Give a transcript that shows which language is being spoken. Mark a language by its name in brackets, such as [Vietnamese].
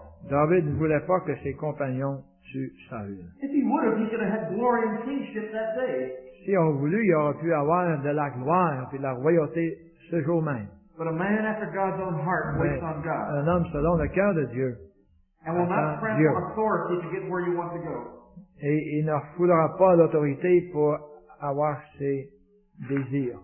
[French] David ne voulait pas que ses compagnons tuent Saül. Si on voulait, il aurait pu avoir de la gloire et de la royauté ce jour même. [English] But a man after God's own heart waits on God. [French] Un homme selon le cœur de Dieu [English] And will not trample authority to get where you want to go. [French] Et il ne refoulera pas l'autorité pour avoir ses désirs.